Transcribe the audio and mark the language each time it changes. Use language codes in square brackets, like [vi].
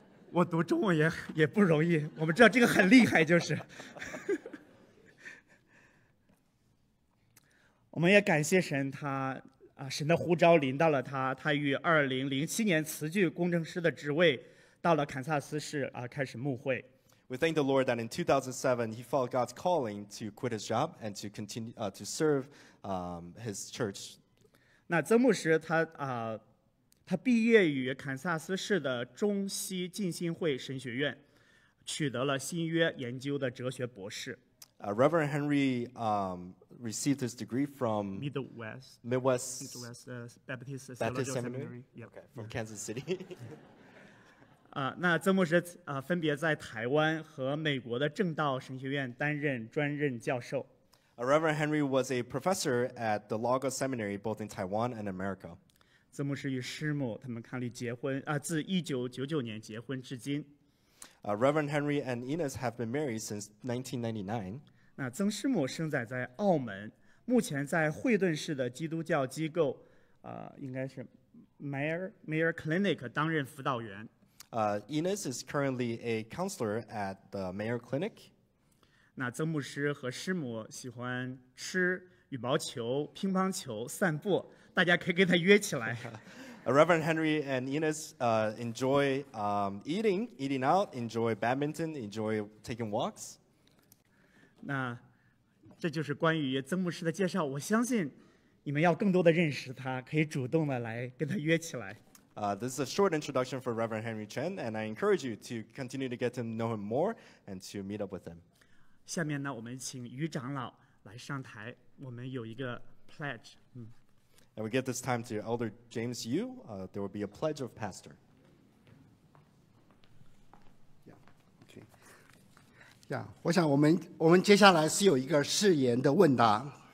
[zh] 我读中文也不容易，我们知道这个很厉害，就是。我们也感谢神，他啊，神的呼召临到了他，他于2007年辞去工程师的职位，到了堪萨斯市啊，开始牧会。 [en] We thank the Lord that in 2007 he followed God's calling to quit his job and to continue to serve his church. [zh] 那曾牧师他啊。他毕业于堪萨斯市的中西浸信会神学院，取得了新约研究的哲学博士。 [en] Reverend Henry received his degree from Midwest Baptist Seminary. Okay, from Kansas City. [zh] 那曾牧师分别在台湾和美国的正道神学院担任专任教授。 [en] Reverend Henry was a professor at the Lagos Seminary both in Taiwan and America. [zh] 曾牧师与师母他们伉俪结婚自1999年结婚至今。 [en] Reverend Henry and Ines have been married since 1999. [zh] 那曾师母生长在澳门，目前在惠顿市的基督教机构，应该是 Mayer Clinic 担任辅导员。 [en] Ines is currently a counselor at the Mayer Clinic. [zh] 那曾牧师和师母喜欢吃羽毛球、乒乓球、散步。大家可以跟他约起来。 [en] Reverend Henry and Ines enjoy eating out, enjoy badminton, enjoy taking walks. [zh] 那这就是关于曾牧师的介绍。我相信你们要更多的认识他，可以主动的来跟他约起来。 [en] This is a short introduction for Reverend Henry Chen, and I encourage you to continue to get to know him more and to meet up with him. [zh] 下面呢，我们请于长老来上台。我们有一个 pledge。 [en] And we give this time to Elder James Yu. There will be a pledge of pastor. Yeah, okay. [zh] Yeah, 我想我们接下来是有一个誓言的问答。